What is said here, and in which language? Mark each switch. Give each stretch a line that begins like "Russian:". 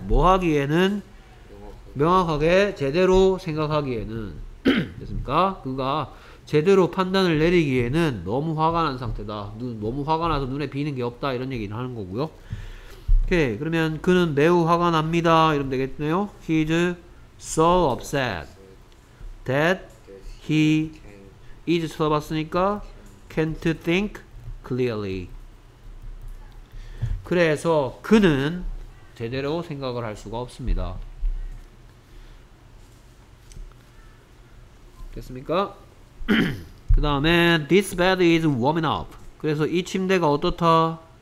Korean: 뭐 하기에는 명확하게 제대로 생각하기에는 됐습니까? 그가 제대로 판단을 내리기에는 너무 화가 난 상태다. 너무 화가 나서 눈에 비는 게 없다. 이런 얘기를 하는 거고요. 오케이. 그러면 그는 매우 화가 납니다. 이러면 되겠네요.
English: He is so upset that he is
Korean: 쳐다봤으니까
English: can't think clearly.
Korean: 그래서 그는 제대로 생각을 할 수가 없습니다. 됐습니까? 그 다음에
English: This bed is warming up.
Korean: 그래서 이 침대가 어떻다?